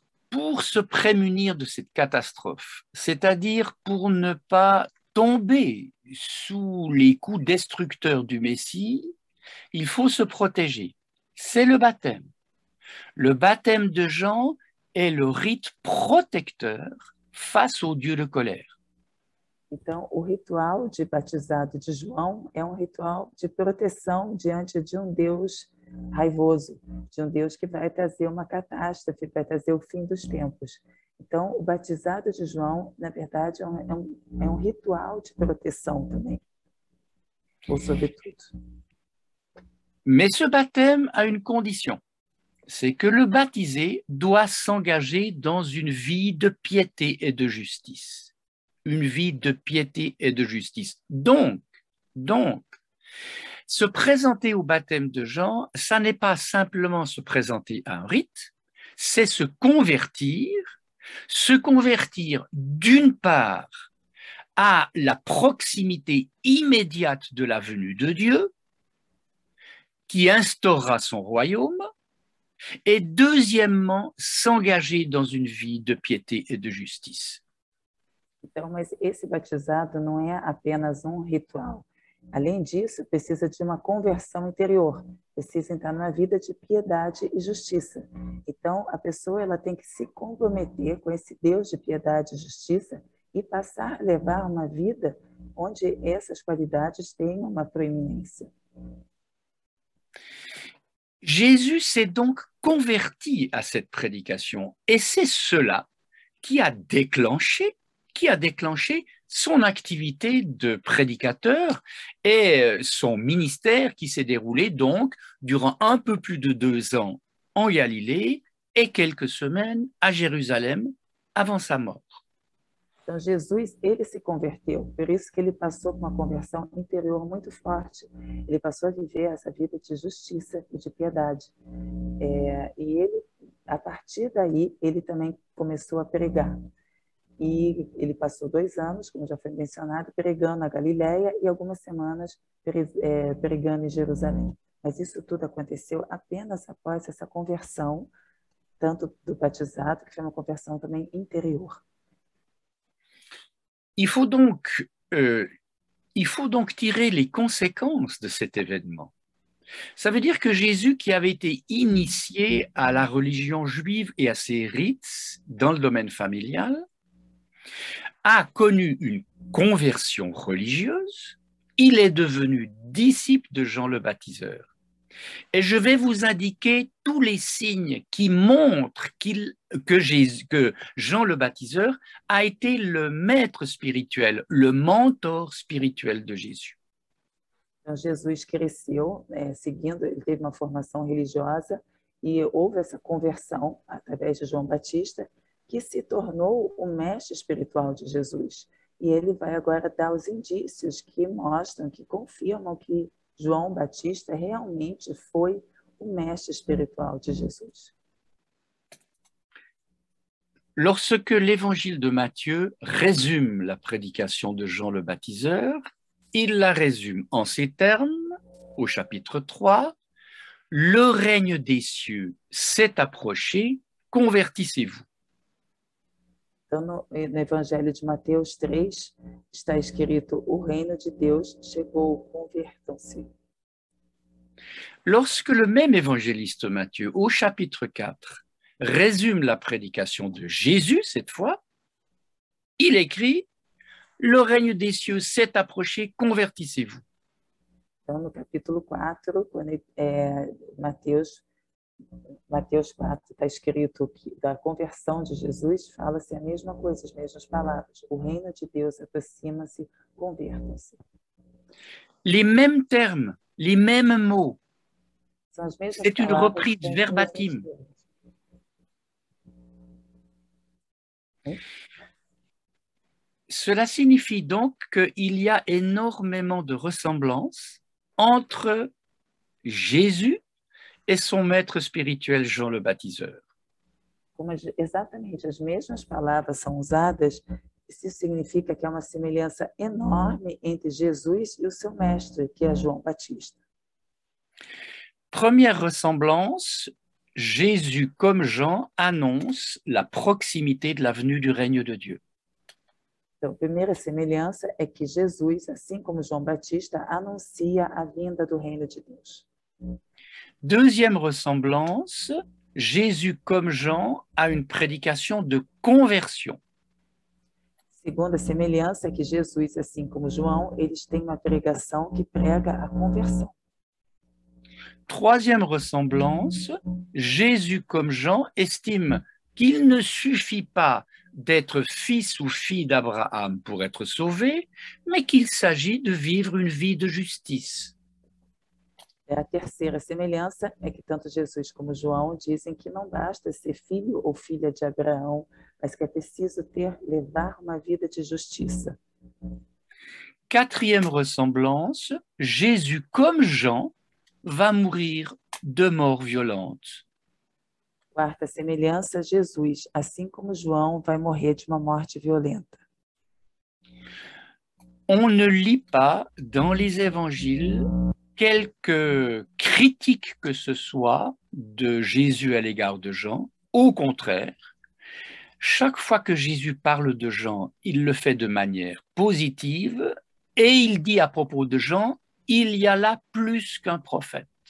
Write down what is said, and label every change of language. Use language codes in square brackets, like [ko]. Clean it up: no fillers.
[fr] Pour se prémunir de cette catastrophe, c'est-à-dire pour ne pas tomber sous les coups destructeurs du Messie, il faut se protéger. C'est le baptême. Le baptême de Jean est le rite protecteur face au dieu de colère. [pt] Então, o ritual de batizado de João é um ritual de proteção diante de um Deus raivoso, de um Deus que vai trazer uma catástrofe, vai trazer o fim dos tempos. Então, o batizado de João, na verdade, é um ritual de proteção também, ou sobretudo. Mas esse [fr] baptême [pt] a uma condição, [fr] c'est que le baptisé doit s'engager dans une vie de piété et de justice. Une vie de piété et de justice. Donc, se présenter au baptême de Jean, ça n'est pas simplement se présenter à un rite, c'est se convertir d'une part à la proximité immédiate de la venue de Dieu, qui instaurera son royaume, et deuxièmement, s'engager dans une vie de piété et de justice. [pt] Então, mas esse batizado não é apenas um ritual. Além disso, precisa de uma conversão interior. Precisa entrar numa vida de piedade e justiça. Então, a pessoa ela tem que se comprometer com esse Deus de piedade e justiça e passar a levar uma vida onde essas qualidades tenham uma proeminência. [fr] Jesus s'est donc converti à cette prédication. Et c'est cela qui a déclenché son activité de prédicateur et son ministère qui s'est déroulé donc durant un peu plus de 2 ans en Galilée et quelques semaines à Jérusalem avant sa mort. [pt] Então, Jesus, ele se converteu, por isso que ele passou por uma conversão interior muito forte. Ele passou a viver essa vida de justiça e de piedade. E ele, a partir daí, ele também começou a pregar. E ele passou 2 anos, como já foi mencionado, pregando na Galiléia e algumas semanas pregando em Jerusalém. Mas isso tudo aconteceu apenas após essa conversão, tanto do batizado, que foi uma conversão também interior. [fr] Il faut donc tirer les conséquences de cet événement. Ça veut dire que Jésus, qui avait été initié à la religion juive et à ses rites dans le domaine familial, a connu une conversion religieuse, il est devenu disciple de Jean le Baptiseur. Et je vais vous indiquer tous les signes qui montrent que Jean le Baptiseur a été le maître spirituel, le mentor spirituel de Jésus. [pt] Jésus cresceu, seguindo, ele teve uma formação religiosa e houve essa conversão através de João Batista, que se tornou o mestre espiritual de Jesus. E ele vai agora dar os indícios que mostram, que confirmam que João Batista realmente foi o mestre espiritual de Jesus. [fr] Lorsque l'évangile de Matthieu résume la prédication de Jean le Baptiseur, il la résume en ces termes, au chapitre 3, « Le règne des cieux s'est approché, convertissez-vous. » [pt] No Evangelho de Mateus 3, está escrito « O reino de Deus chegou, convertam-se. » [fr] Lorsque le même évangéliste Matthieu, au chapitre 4, résume la prédication de Jésus cette fois, il écrit « Le règne des cieux s'est approché, convertissez-vous. » [pt] Então, no capítulo 4, quando Mateus 4, está escrito que da conversão de Jesus, fala-se a mesma coisa, as mesmas palavras. O reino de Deus aproxima-se, convertam-se. [fr] Les mêmes termes, les mêmes mots. [pt] São as mesmas [fr] C'est [pt] palavras, [fr] une reprise verbatim. Cela signifie donc qu'il y a énormément de ressemblances entre Jésus et son maître spirituel Jean le Baptiseur. Exactement, les mêmes [pt] palavras [fr] sont [pt] usadas, isso significa [fr] qu'il y a une [pt] semelhança [fr] énorme entre Jésus et son maître, qui est João Batista. Première ressemblance, Jésus, comme Jean, annonce la proximité de la venue du règne de Dieu. [pt] Então, a primeira semelhança é que Jesus, assim como João Batista, anuncia a vinda do reino de Deus. [fr] Deuxième ressemblance, Jésus, comme Jean, a une prédication de conversion. [pt] Segunda semelhança é que Jesus, assim como João, eles têm uma pregação que prega a conversão. [fr] Troisième ressemblance, Jésus comme Jean estime qu'il ne suffit pas d'être fils ou fille d'Abraham pour être sauvé, mais qu'il s'agit de vivre une vie de justice. [pt] La terceira semelhança é que tanto Jesus como João dizem que não basta ser filho ou filha de Abraão, mas que é preciso levar uma vida de justiça. [fr] Quatrième ressemblance, Jésus comme Jean va mourir de mort violente. [pt] Quarta semelhança, Jesus, assim como João, vai morrer de uma morte violenta. [fr] On ne lit pas dans les évangiles quelque critique que ce soit de Jésus à l'égard de Jean. Au contraire, chaque fois que Jésus parle de Jean, il le fait de manière positive et il dit à propos de Jean, il y a là plus qu'un prophète.